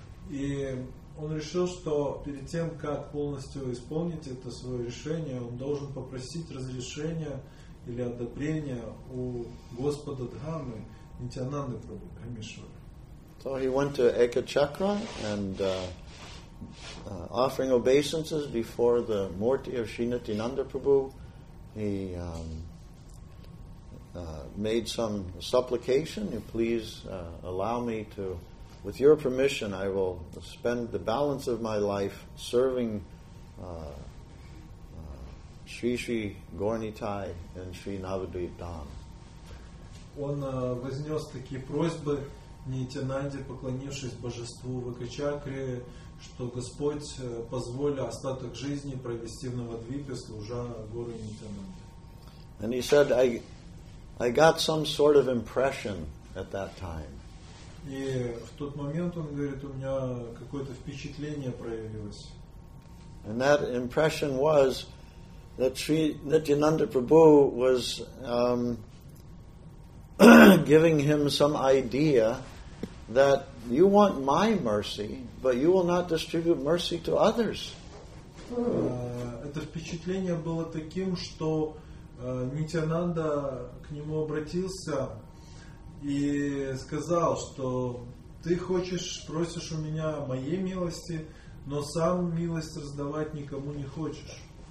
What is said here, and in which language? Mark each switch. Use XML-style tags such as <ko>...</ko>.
<ru>И он решил, что перед тем, как полностью исполнить это свое решение, он должен попросить разрешения или одобрения у Господа Дхамы Нитянанды Прабху Камишвара.</ru> <en>So he went to Ekachakra and offering obeisances before the Murti of Sri Nityananda Prabhu, he made some supplication, please allow me to, with your permission, I will spend the balance of my life serving Sri Sri Gornitai and Sri Navadvip Dham.</en> <ru>Он вознес такие просьбы Нитянанде, поклонившись божеству в Экачакре, что Господь позволил остаток жизни провести в Навадвипе, служа гору Нитянанде.</ru> <en>And he said, I got some sort of impression at that time.</en> <ru>И в тот момент, он говорит, у меня какое-то впечатление проявилось.</ru> <en>And that impression was that Sri Nityananda Prabhu was giving him some idea that you want my mercy, but you will not distribute mercy to others.</en> <ru>Это впечатление было таким, что Нитянанда к нему обратился и сказал, что ты хочешь, просишь у меня моей милости, но сам милость раздавать никому не хочешь.</ru>